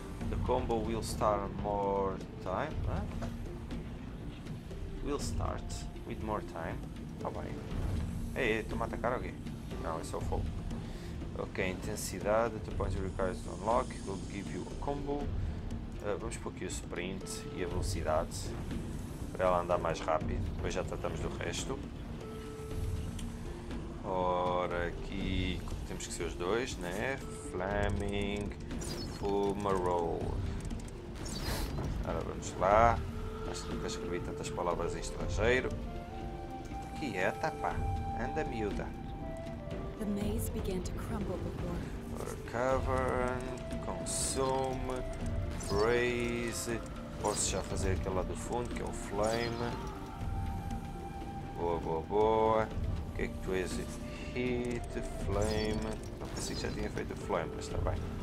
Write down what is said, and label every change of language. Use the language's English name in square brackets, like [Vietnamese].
[English] The combo will start more time. Will start with more time. [Portuguese] Ah, bem. Ei, estou-me a atacar alguém. Não, é só o fogo. Ok, intensidade, [English] 2 points required to unlock, will give you a combo. [Portuguese] Vamos pôr aqui o sprint e a velocidade para ela andar mais rápido. Depois já tratamos do resto. Ora, aqui temos que ser os dois, né? Flaming Fumarole. Agora vamos lá. Acho que nunca escrevi tantas palavras em estrangeiro. Que é, tapa. Anda, miúda. [English] The maze began to crumble before. Cavern, consume, braise. [Portuguese] Posso já fazer aquela do fundo que é o flame. Boa, boa, boa. O que é que tu és? Hit, flame. Não pensei que já tinha feito flame, mas está bem.